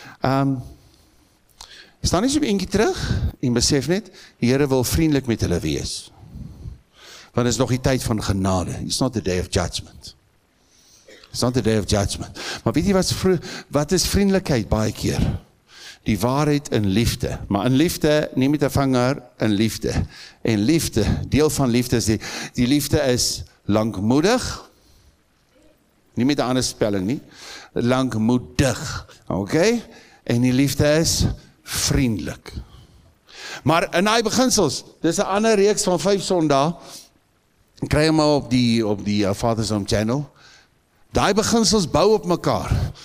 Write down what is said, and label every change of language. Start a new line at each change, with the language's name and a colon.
Afrikaans: Staan nie so eentjie terug en besef net, die Here wil vriendelik met hulle wees. Want is nog die tyd van genade.
English: It's not the day of judgment.
Afrikaans: It's not the day of judgment. Maar weet jy wat is vriendelikheid baie keer? Die waarheid in liefde. Maar in liefde, nie met 'n vinger, in liefde. En liefde, deel van liefde is die liefde is lankmoedig. Nie met 'n ander spelling nie. Lankmoedig. Okay? En die liefde is vriendelik. Maar in hy beginsels, dis 'n ander reeks van 5 sondae. Kry hom op die Father's Home channel. Daai beginsels bou op mekaar.